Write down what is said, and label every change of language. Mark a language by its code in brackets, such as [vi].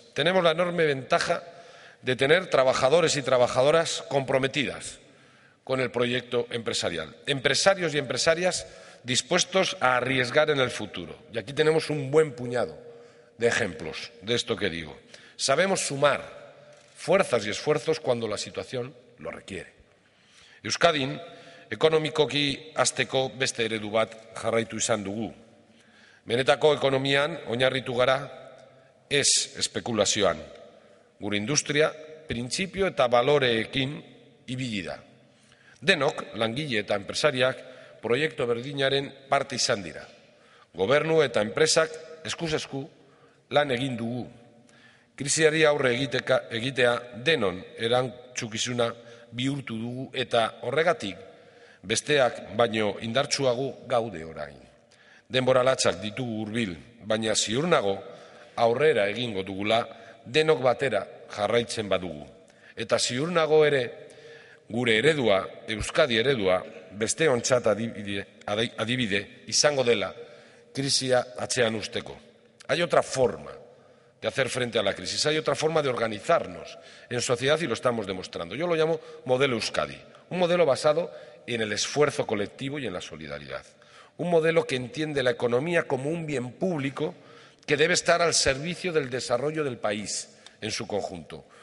[es] Tenemos la enorme ventaja de tener trabajadores y trabajadoras comprometidas con el proyecto empresarial. Empresarios y empresarias dispuestos a arriesgar en el futuro. Y aquí tenemos un buen puñado de ejemplos de esto que digo. Sabemos sumar fuerzas y esfuerzos cuando la situación lo requiere. [eu] Euskadin, ekonomikoki hasteko beste eredu bat jarraitu izan dugu. Benetako ekonomian oinarritu gara ez espekulazioan. Gure industria, printzipio eta baloreekin ibili da. Denok, langile eta enpresariak, proiektu berdinaren parte izan dira. Gobernu eta enpresak eskuz-esku lan egin dugu. Krisiari aurre egitea denon erantzukizuna bihurtu dugu eta horregatik besteak baino indartsuago gaude orain. Denbora latzak ditugu hurbil, baina ziur nago aurrera egingo dugula denok batera jarraitzen badugu. Eta ziur nago ere gure eredua, Euskadi eredua, beste ontzat adibide izango dela krisia atzean usteko. [es] Hay otra forma de hacer frente a la crisis. Hay otra forma de organizarnos en sociedad y lo estamos demostrando. Yo lo llamo modelo Euskadi, un modelo basado en el esfuerzo colectivo y en la solidaridad. Un modelo que entiende la economía como un bien público que debe estar al servicio del desarrollo del país en su conjunto.